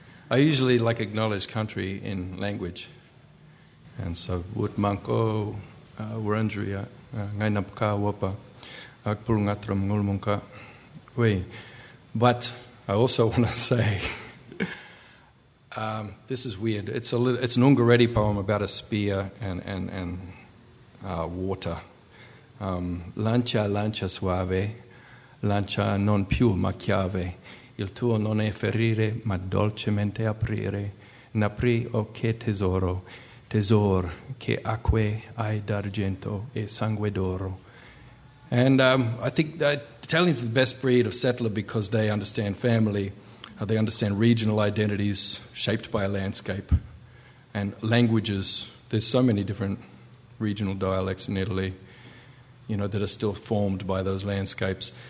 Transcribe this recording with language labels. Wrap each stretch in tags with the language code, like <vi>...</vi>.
<en>I usually like acknowledge country in language. And so, Wutmanko, Wurundjeri, Ngainapka, Wapa, Akpulungatram, Ngulmunka, Wee. But I also want to say, this is weird. It's an Ungaretti poem about a spear and water.</en> <it>Lancia, lancia suave, lancia non più ma chiave. Il tuo non è ferire, ma dolcemente aprire. N'apri, o che tesoro, tesor, che acque hai d'argento e sangue d'oro.</it> <en>And I think that Italians are the best breed of settler because they understand family, they understand regional identities shaped by a landscape, and languages. There's so many different regional dialects in Italy, you know, that are still formed by those landscapes.</en>